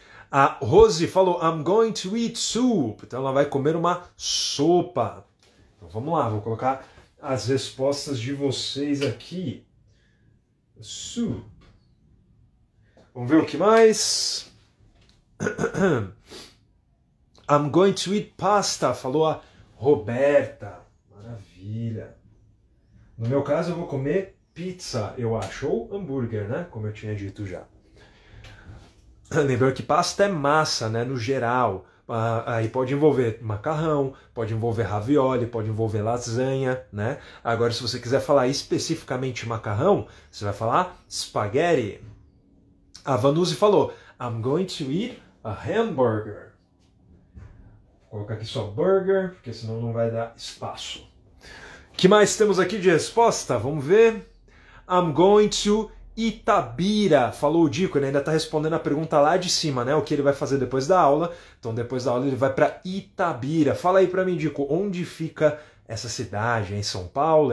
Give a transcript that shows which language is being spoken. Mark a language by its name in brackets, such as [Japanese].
[Portuguese] A Rose falou, [English] I'm going to eat soup. [Portuguese] Então ela vai comer uma sopa. Então vamos lá, vou colocar as respostas de vocês aqui. Soup. Vamos ver o que mais. [English] I'm going to eat pasta, [Portuguese] falou a Roberta. Maravilha. No meu caso, eu vou comer pizza, eu acho, ou hambúrguer, né? Como eu tinha dito já. Lembrando que pasta é massa, né? No geral. Aí pode envolver macarrão, pode envolver ravioli, pode envolver lasanha, né? Agora, se você quiser falar especificamente macarrão, você vai falar spaghetti. A Vanuzi falou: [English] I'm going to eat a hamburger. [Portuguese] Vou colocar aqui só burger, porque senão não vai dar espaço. Que mais temos aqui de resposta? Vamos ver. [English] I'm going to Itabira, [Portuguese] falou o Dico, ele ainda está respondendo a pergunta lá de cima, né? O que ele vai fazer depois da aula. Então, depois da aula, ele vai para Itabira. Fala aí para mim, Dico, onde fica essa cidade? É em São Paulo?